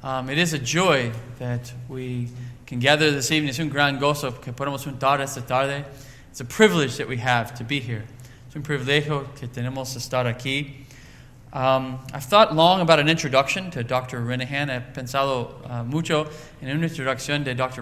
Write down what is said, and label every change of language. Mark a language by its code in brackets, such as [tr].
[en] It is a joy that we can gather this evening. [es] Es un gran gozo que podemos juntar esta tarde. [en] It's a privilege that we have to be here. [es] Es un privilegio que tenemos estar aquí. [en] I've thought long about an introduction to Dr. Renahan. [es] He pensado mucho en una introducción de Dr.